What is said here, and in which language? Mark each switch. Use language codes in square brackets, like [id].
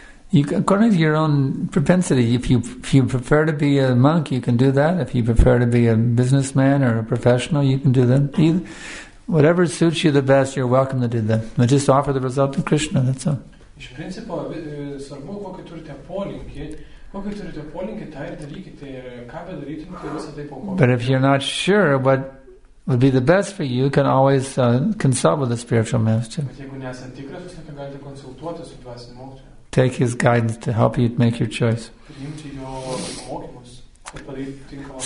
[en] You, according to your own propensity, if you prefer to be a monk, you can do that. If you prefer to be a businessman or a professional, you can do that. Either, Whatever suits you the best, you're welcome to do that. But just offer the result to Krishna, that's all. [lt] Iš principo, svarbu, kokį turite polinkį, tą ir darykite, ir ką bedarytumėte, visą tai paukokite. [en] But if you're not sure what would be the best for you, you can always consult with the spiritual master. [lt] Bet jeigu nesant tikras, jūs galite konsultuoti su dvasiniu mokytoju. [en] Take his guidance to help you make your choice. [lt] Priimti jo mokymus, kad padaryti tinkamą.